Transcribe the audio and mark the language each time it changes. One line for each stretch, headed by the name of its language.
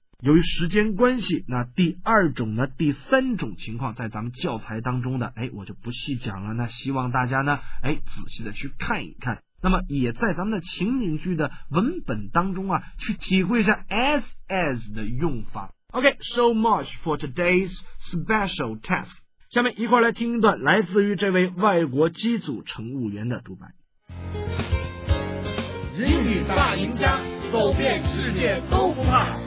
Chinese: 由于时间关系，那第二种呢，第三种情况在咱们教材当中的，哎，我就不细讲了。那希望大家呢，哎，仔细的去看一看。那么也在咱们的情景剧的文本当中啊，去体会一下 as 的用法。
English: OK, so much for today's special task.
Chinese: 下面一块来听一段来自于这位外国机组乘务员的独白。英语大赢家，走遍世界都不怕。